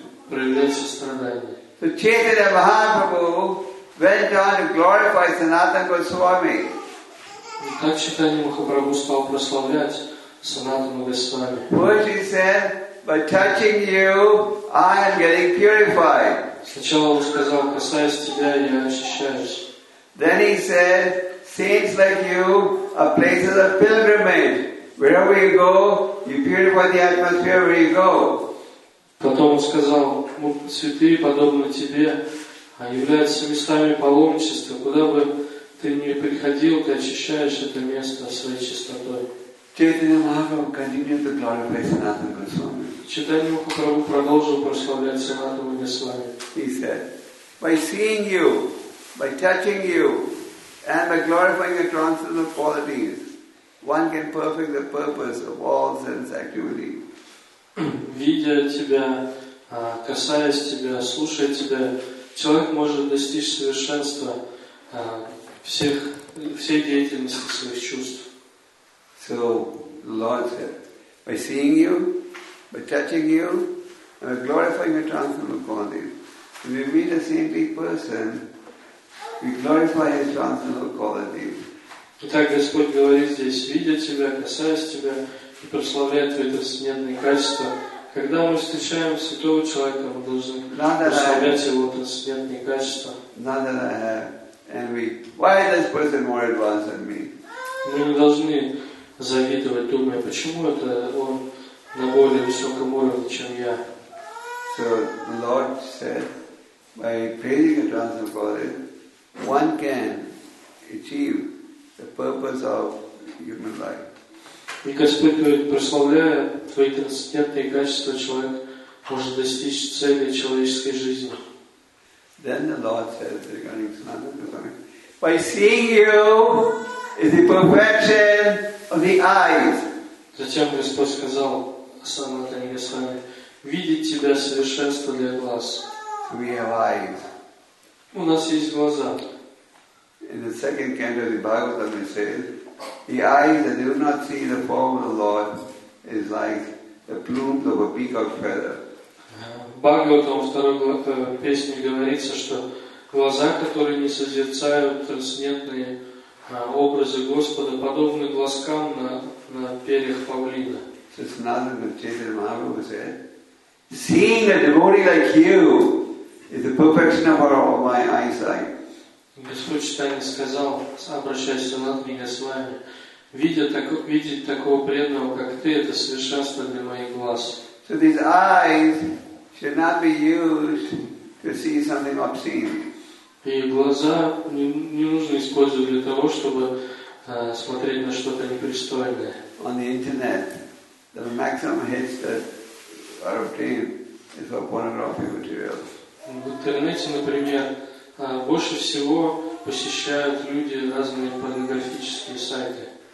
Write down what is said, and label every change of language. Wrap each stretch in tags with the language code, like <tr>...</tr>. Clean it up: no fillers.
<ru>Проявлять сострадание.</ru> <en>So Chaitanya Mahaprabhu went on to glorify Sanatana Goswami.</en> <ru>Так Чайтанья Махапрабху стал прославлять Санатану Госвами.</ru> <en>First he said, by touching you, I am getting purified.</en> <ru>Сначала он сказал, касаясь тебя, я очищаюсь.</ru> <en>Then he said, saints like you are places of pilgrimage. Wherever you go, you purify the atmosphere where you go.</en> <ru>Потом он сказал, святые, подобные тебе, являются местами паломничества. Куда бы ты ни приходил, ты очищаешь это место своей чистотой.</ru> <en>Chaitanya Mahaprabhu continued to glorify Sanatana Goswami.</en> <ru>Chaitanya Mahaprabhu продолжил прославлять Санатану Госвами.</ru> <en>He said, by seeing you, by touching you, and by glorifying your transcendental qualities, one can perfect the purpose of all sense activity.</en> <ru>Видя тебя, касаясь тебя, слушая тебя, человек может достичь совершенства всей деятельности своих чувств.</ru> <en>So, Lord said, by seeing you, by touching you, and by glorifying your transcendental qualities, when we meet a saintly person, we glorify his transcendental qualities.</en> <ru>Итак, Господь говорит здесь, видя тебя, касаясь тебя, и прославляя твои трансцендентные качества, когда мы встречаем святого человека, мы должны прославлять его трансцендентные качества.</ru> <en>Not that I have envy. Why is this person more advanced than me?</en> <ru>Мы не должны завидовать, думая, почему это он на более высоком уровне, чем я.</ru> <en>So the Lord said, by praising the transcendental qualities, one can achieve the purpose of human life.</en> <ru>И Господь говорит, прославляя твои трансцендентные качества, человек может достичь цели человеческой жизни.</ru> <en>Then the Lord says, regarding Sanatana Goswami, by seeing you is the perfection of the eyes.</en> <ru>Затем Господь сказал Санатане Госвами, видеть тебя совершенство для глаз.</ru> <en>We have eyes.</en> <ru>У нас есть глаза.</ru> <en>In the second canto of the Bhagavatam it says, the eyes that do not see the form of the Lord is like the plumes of a peacock feather.</en> <ru>Бхагаватам второй песне говорится, что глаза, которые не созерцают трансцендентные образы Господа, подобны глазкам на перьях павлина.</ru> <en>Sanatana Goswami Mahaprabhu said, seeing a devotee like you is the perfection of my eyesight.</en> <ru>Господь Чайтанья сказал, обращаясь к Санатане Госвами, видеть такого преданного, как ты, это совершенство для моих глаз.</ru> <en>So these eyes should not be used to see something obscene.</en> <ru>И глаза не нужно использовать для того, чтобы смотреть на что-то непристойное.</ru> <en>On the internet, the maximum hits that are obtained is for pornographic material.</en> <ru>В интернете, например, больше всего посещают люди разные порнографические сайты.</ru>